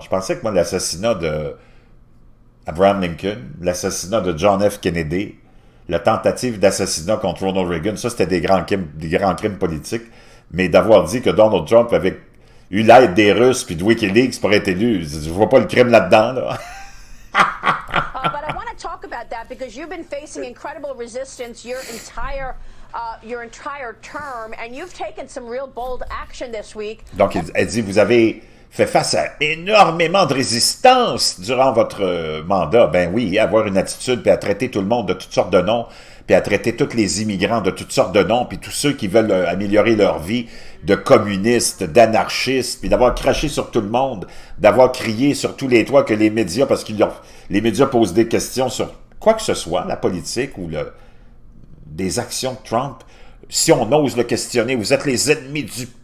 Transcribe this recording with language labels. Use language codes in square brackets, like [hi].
[fr] Je pensais que moi, l'assassinat de Abraham Lincoln, l'assassinat de John F. Kennedy, la tentative d'assassinat contre Ronald Reagan, ça, c'était des grands crimes politiques. Mais d'avoir dit que Donald Trump avait eu l'aide des Russes puis de WikiLeaks pour être élu, je vois pas le crime là-dedans, là. [en] Talk about that because you've been facing incredible resistance your entire term, and you've taken some real bold action this week. [fr] Donc, elle dit, vous avez fait face à énormément de résistance durant votre mandat. Ben oui, avoir une attitude, puis à traiter tout le monde de toutes sortes de noms, puis à traiter tous les immigrants de toutes sortes de noms, puis tous ceux qui veulent améliorer leur vie de communistes, d'anarchistes, puis d'avoir craché sur tout le monde, d'avoir crié sur tous les toits que les médias, parce que les médias posent des questions sur quoi que ce soit, la politique ou des actions de Trump. Si on ose le questionner, vous êtes les ennemis du